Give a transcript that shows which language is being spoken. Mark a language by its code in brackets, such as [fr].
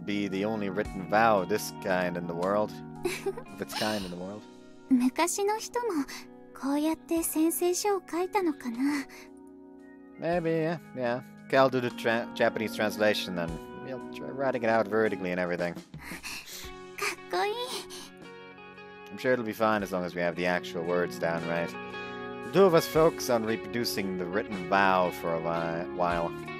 [en] be the only written vow of this kind in the world. Of its kind in the world. [ja] 昔の人もこうやって宣誓書を書いたのかな? [en] Maybe, yeah. Okay, I'll do the Japanese translation then. We'll try writing it out vertically and everything. I'm sure it'll be fine as long as we have the actual words down right. The two of us focus on reproducing the written vow for a while.